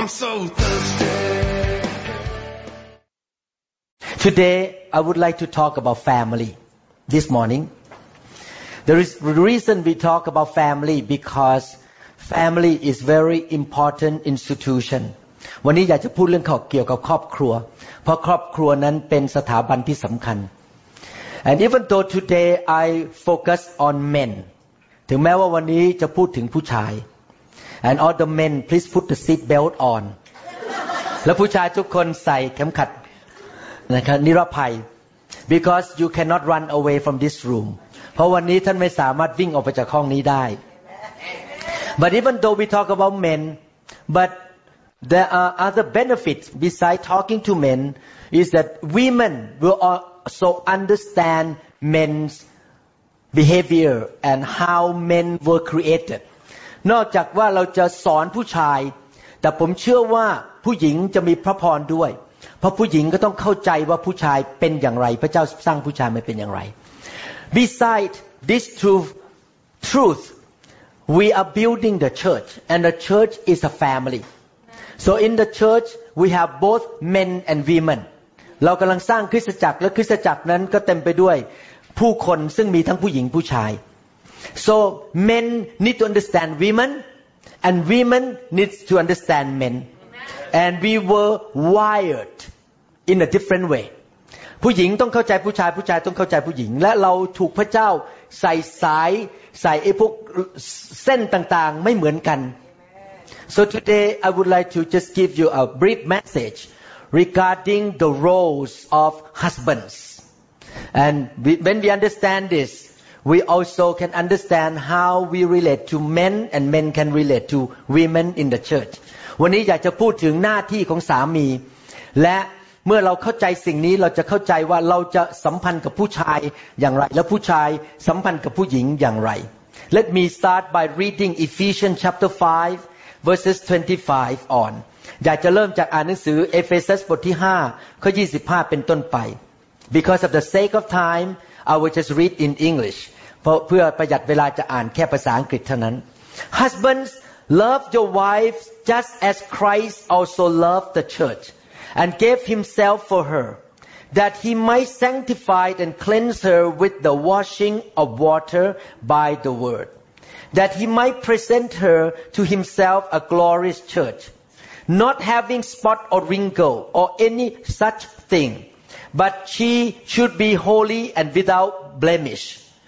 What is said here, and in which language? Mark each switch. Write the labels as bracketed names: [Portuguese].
[English] I'm so thirsty. Today, I would like to talk about family. This morning, there is a reason we talk about family, because family is very important institution. [Thai] วันนี้อยากจะพูดเรื่องเกี่ยวกับครอบครัวเพราะครอบครัวนั้นเป็นสถาบันที่สำคัญ [English] And even though today I focus on men, [Thai] ถึงแม้ว่าวันนี้จะพูดถึงผู้ชาย [English] And all the men, please put the seat belt on. [Thai] และผู้ชายทุกคนใส่เข็มขัดนะครับนิรภัย [English] Because you cannot run away from this room. [Thai] เพราะวันนี้ท่านไม่สามารถวิ่งออกไปจากห้องนี้ได้ [English] But even though we talk about men, but there are other benefits besides talking to men, is that women will also understand men's behavior and how men were created. [Thai] นอกจากว่าเราจะสอนผู้ชายแต่ผมเชื่อว่าผู้หญิงจะมีพระพรด้วยเพราะผู้หญิงก็ต้องเข้าใจว่าผู้ชายเป็นอย่างไรพระเจ้าสร้างผู้ชายมาเป็นอย่างไร [English] Besides this truth we are building the church and the church is a family so in the church we have both men and women [Thai] เรากำลังสร้างคริสตจักรและคริสตจักรนั้นก็เต็มไปด้วยผู้คนซึ่งมีทั้งผู้หญิงผู้ชาย [English] so men need to understand women and women need to understand menAnd we were wired in a different way. [Thai] ผู้หญิงต้องเข้าใจผู้ชายผู้ชายต้องเข้าใจผู้หญิงและเราถูกพระเจ้าใส่สายใส่ไอ้พวกเส้นต่างๆไม่เหมือนกัน [English] So today I would like to just give you a brief message regarding the roles of husbands. And when we understand this, we also can understand how we relate to men and men can relate to women in the church. [Thai] วันนี้อยากจะพูดถึงหน้าที่ของสามีและเมื่อเราเข้าใจสิ่งนี้เราจะเข้าใจว่าเราจะสัมพันธ์กับผู้ชายอย่างไรและผู้ชายสัมพันธ์กับผู้หญิงอย่างไร [English] Let me start by reading Ephesians chapter 5 verses 25 on [Thai] อยากจะเริ่มจากอ่านหนังสือเอเฟซัสบทที่5ข้อ25เป็นต้นไป [English] Because of the sake of time I will just read in English [Thai] เพื่อประหยัดเวลาจะอ่านแค่ภาษาอังกฤษเท่านั้น [English] HusbandsLove your wives just as Christ also loved the church and gave himself for her, that he might sanctify and cleanse her with the washing of water by the word, that he might present her to himself a glorious church, not having spot or wrinkle or any such thing, but she should be holy and without blemish.